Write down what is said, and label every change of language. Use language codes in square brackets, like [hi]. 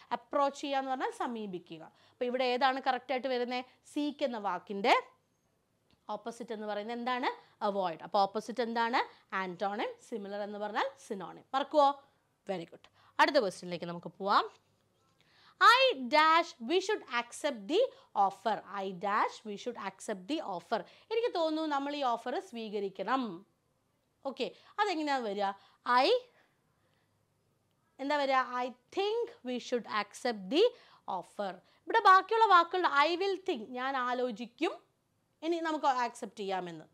[ml] Approach ചെയ്യുക എന്ന് പറഞ്ഞാൽ സമീപിക്കുക. അപ്പോൾ ഇവിടെ ഏതാണ് കറക്റ്റ് ആയിട്ട് വരുന്നത്? സീക്ക് എന്ന വാക്കിൻ്റെ ഓപ്പോസിറ്റ് എന്ന് പറയുന്നത് എന്താണ്? അവോയ്ഡ്. അപ്പോൾ ഓപ്പോസിറ്റ് എന്താണ്? ആൻറ്റോണിം. സിമിലർ എന്ന് പറഞ്ഞാൽ സിനോണിം. മറക്കുമോ? Very good. അടുത്ത ക്വസ്റ്റ്യനിലേക്ക് നമുക്ക് പോവാം. [en] I dash, we should accept the offer. I dash, we should accept the offer. [ml] എനിക്ക് തോന്നുന്നു നമ്മൾ ഈ ഓഫർ സ്വീകരിക്കണം. ഓക്കെ, അതെങ്ങനെയാണ് വരിക? ഐ എന്താ വരിക? [en] I think we should accept the offer. [ml] ഇവിടെ ബാക്കിയുള്ള വാക്കുകളുടെ [en] I will think, [ml] ഞാൻ ആലോചിക്കും ഇനി നമുക്ക് ആക്സെപ്റ്റ് ചെയ്യാമെന്ന്.